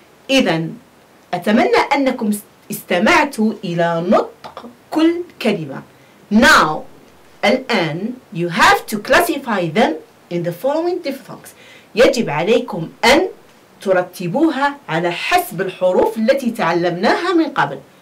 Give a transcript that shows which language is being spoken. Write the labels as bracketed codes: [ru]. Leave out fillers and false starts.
[ar] إذن أتمنى أنكم استمعتوا إلى نطق كل كلمة. [en] Now, [ar] الآن, [en] you have to classify them in the following diphthongs. [ar] يجب عليكم أن ترتبوها على حسب الحروف التي تعلمناها من قبل.